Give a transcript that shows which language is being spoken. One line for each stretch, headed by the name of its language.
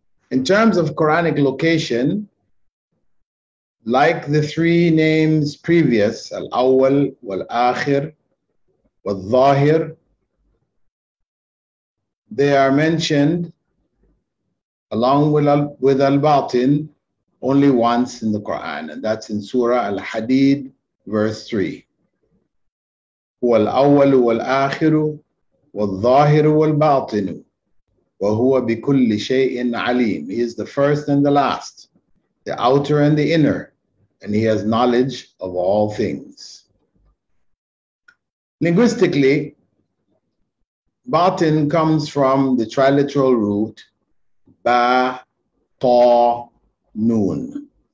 English: In terms of Quranic location, like the three names previous, Al-Awwal, Wal-Akhir, Wal-Zahir, they are mentioned along with Al-Batin only once in the Quran, and that's in Surah Al-Hadid, verse 3.
Arabic: هو الأول والآخر والظاهر والباطن وهو بكل شيء عليم.
English: He is the first and the last, the outer and the inner, and he has knowledge of all things. Linguistically, batin comes from the triliteral root ba, ta, noon.